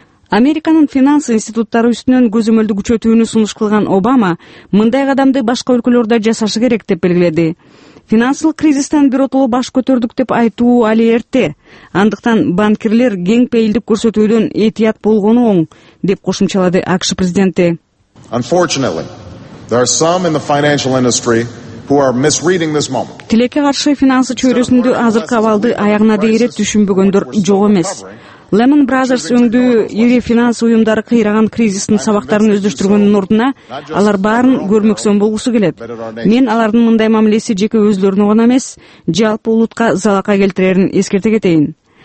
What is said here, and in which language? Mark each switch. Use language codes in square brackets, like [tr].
[ky] Американын финансы институттары үстүнөн көзөмөлдү күчөтүүнү сунуш кылган Обама мындай кадамды башка өлкөлөрдө жасашы керек деп белгиледи. Финансылык кризистен биротоло баш көтөрдүк деп айтуу али эрте. Андыктан банкерлер кең пейилдик көрсөтүүдөн этият болгону оң, деп кошумчалады АКШ президенти. [en] Unfortunately, there are some in the financial industry who are misreading this moment. [ky] Тилекке каршы финансы чөйрөсүндө азыркы абалды аягына дейрет түшүнбөгөндөр жок эмес. Lehman Brothers өңдүү ири финанс уюмдары кыйраган кризистин сабактарын өздөштүргөндүн ордуна алар баарын көрмөксөн болгусу келет. Мен алардын мындай мамилеси жеке өзлөрүнө гана эмес, жалпы улутка залака келтирерин эскерте кетейин.